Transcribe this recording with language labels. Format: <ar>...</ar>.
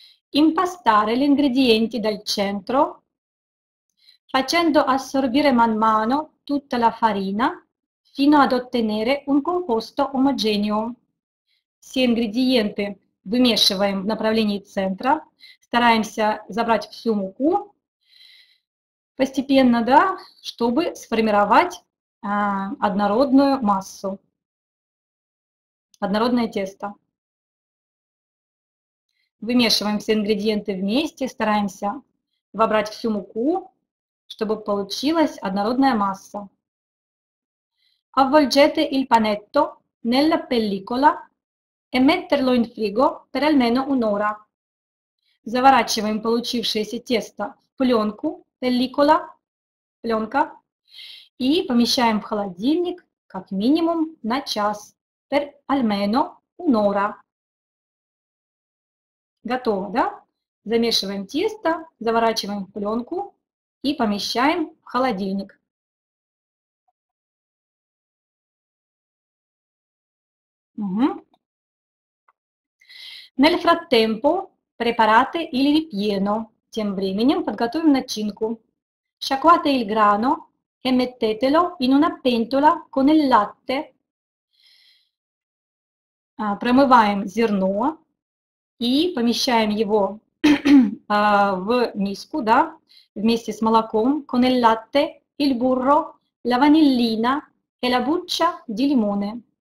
<it>Impastare gli ingredienti dal centro, facendo assorbire man mano tutta la farina fino ad ottenere un composto omogeneo.</it> <ru>Все ингредиенты вымешиваем в направлении центра, стараемся забрать всю муку постепенно, да, чтобы сформировать однородную массу, однородное тесто. Вымешиваем все ингредиенты вместе, стараемся вобрать всю муку, чтобы получилась однородная масса.</ru> <it>Avvolgete il panetto nella pellicola e metterlo in frigo per almeno un'ora.</it> <ru>Заворачиваем получившееся тесто в пленку, pellicola, пленка, и помещаем в холодильник как минимум на час,</ru> <it>per almeno un'ora.</it> <ru>Готово, да? Замешиваем тесто, заворачиваем в пленку и помещаем в холодильник.</ru> <it>Nel frattempo preparate il ripieno.</it> <ru>Тем временем подготовим начинку.</ru> <it>Sciacquate il grano e mettetelo in una pentola con il latte.</it> <ru>Промываем зерно и помещаем его в миску, да, вместе с молоком,</ru> <it>con il latte, il burro, la vanillina e la buccia di limone.</it>